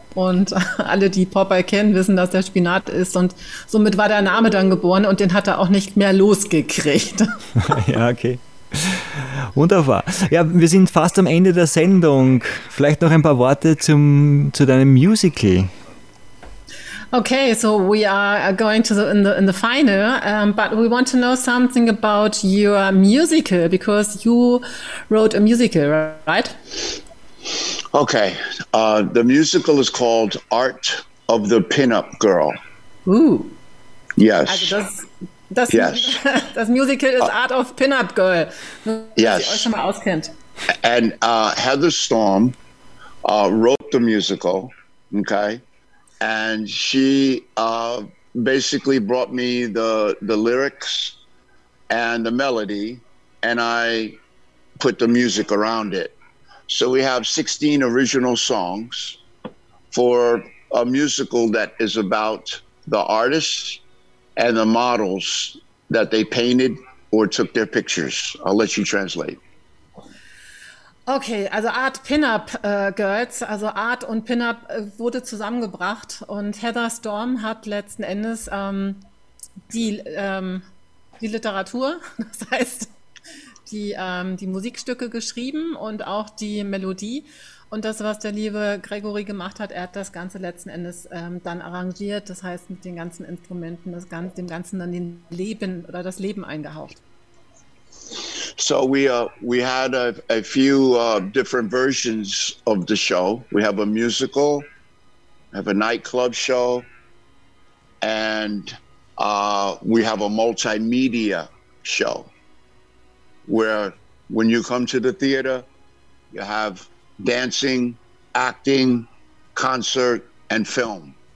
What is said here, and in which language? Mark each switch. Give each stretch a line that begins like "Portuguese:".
German: Und alle, die Popeye kennen, wissen, dass der Spinat ist. Und somit war der Name dann geboren und den hat er auch nicht mehr losgekriegt. Ja, okay. Wunderbar. Ja, wir sind fast am Ende der Sendung. Vielleicht noch ein paar Worte zu deinem Musical.
English: Okay, so we are going to the final, but we want to know something about your musical, because you wrote a musical, right? Okay, the musical is called Art of the Pinup Girl. Ooh. Yes.
German: Das Musical ist Art of Pinup Girl.
English: Yes.
German: Ihr euch schon mal auskennt.
English: And Heather Storm wrote the musical, okay? And she basically brought me the lyrics and the melody, and I put the music around it. So we have 16 original songs for a musical that is about the artists and the models that they painted or took their pictures. I'll let you translate.
German: Okay, also Art Pinup Girls, also Art und Pinup wurde zusammengebracht und Heather Storm hat letzten Endes die Literatur, das heißt die Musikstücke geschrieben und auch die Melodie und das, was der liebe Gregory gemacht hat, er hat das Ganze letzten Endes dann arrangiert, das heißt mit den ganzen Instrumenten, dem Ganzen dann das Leben eingehaucht.
English: So we had a few different versions of the show. We have a musical, have a nightclub show, and we have a multimedia show where when you come to the theater, you have dancing, acting, concert, and film.